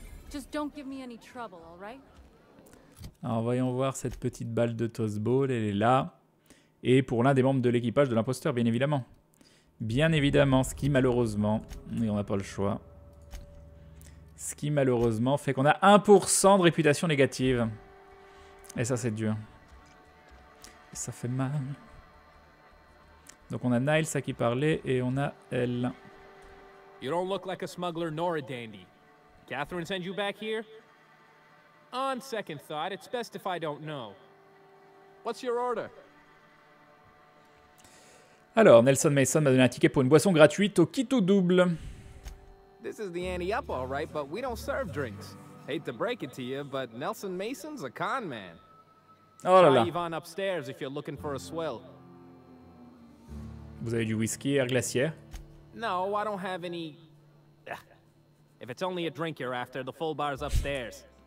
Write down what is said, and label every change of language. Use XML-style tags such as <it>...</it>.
<en>Just don't give me any trouble, all right?</en> <fr>Alors voyons voir cette petite balle de toastball, elle est là. Et pour l'un des membres de l'équipage de l'imposteur, bien évidemment. Bien évidemment, ce qui malheureusement, et on n'a pas le choix, ce qui malheureusement fait qu'on a 1% de réputation négative. Et ça c'est dur. Et ça fait mal. Donc on a Niles à qui parler et on a elle.</fr> <en>You don't look like a smuggler nor a dandy. Catherine send you back here? On second thought, it's best if I don't know. What's your order?</en> <fr>Alors, Nelson Mason m'a donné un ticket pour une boisson gratuite au Quito Double.</fr> <en>This is the ante up, all right, but we don't serve drinks. Hate to break it to you, but Nelson Mason's a con man.</en> <fr>Oh là là.</fr> <en>Try Yvonne upstairs if you're looking for a swill.</en> <fr>Vous avez du whisky et air glaciaire?</fr> <en>No, I don't have any... If it's only a drink you're after, the full bar's upstairs.</en>